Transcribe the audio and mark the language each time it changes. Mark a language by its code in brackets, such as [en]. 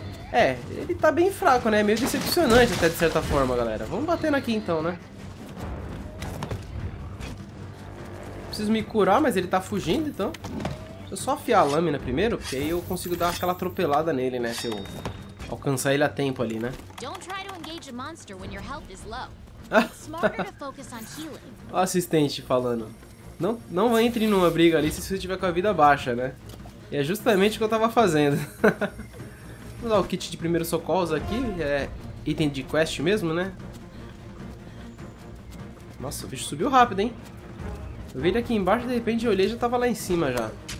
[pt] É, ele tá bem fraco, né? Meio decepcionante até, de certa forma, galera. Vamos batendo aqui então, né? Preciso me curar, mas ele tá fugindo, então. Deixa eu só afiar a lâmina primeiro, porque aí eu consigo dar aquela atropelada nele, né? Se eu alcançar ele a tempo ali, né? [en] Don't try to engage a monster when your health is low. Smarter to focus on healing. [pt] Ó, assistente falando. Não entre numa briga ali se você tiver com a vida baixa, né? E é justamente o que eu tava fazendo. Vamos dar o kit de primeiros socorros aqui. É item de quest mesmo, né? Nossa, o bicho subiu rápido, hein? Eu vi ele aqui embaixo e de repente eu olhei e já tava lá em cima já.